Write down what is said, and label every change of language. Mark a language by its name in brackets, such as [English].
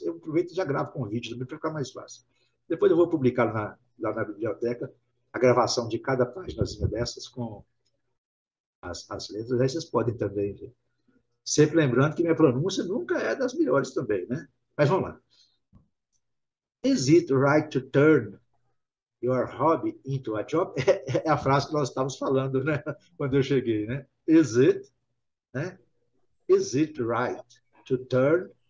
[Portuguese] Eu aproveito e já gravo com vídeo também, para ficar mais fácil. Depois eu vou publicar lá na biblioteca a gravação de cada paginazinha dessas com as letras. Aí vocês podem também ver. Sempre lembrando que minha pronúncia nunca é das melhores também, né? Mas vamos lá. [English] Is it right to turn your hobby into a job? [Portuguese] É a frase que nós estávamos falando, né? Quando eu cheguei, né? [English] Is it, né? Is it right to turn